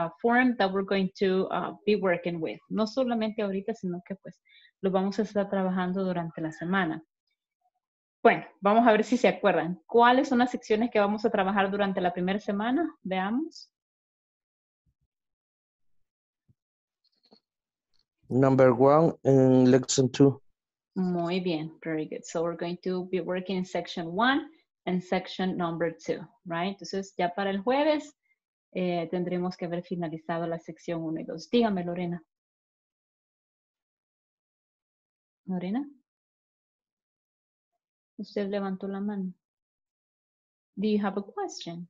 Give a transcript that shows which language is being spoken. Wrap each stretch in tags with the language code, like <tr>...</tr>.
<en>Form that we're going to be working with.</en> <es>No solamente ahorita, sino que pues lo vamos a estar trabajando durante la semana. Bueno, vamos a ver si se acuerdan. ¿Cuáles son las secciones que vamos a trabajar durante la primera semana? Veamos.</es> <en>Number one and lesson two.</en> <es>Muy bien,</es> <en>very good. So we're going to be working in section one and section number two, right?</en> <es>Entonces ya para el jueves tendremos que haber finalizado la sección uno y dos. Dígame, Lorena. Lorena. Usted levantó la mano.</es> <en>Do you have a question?</en>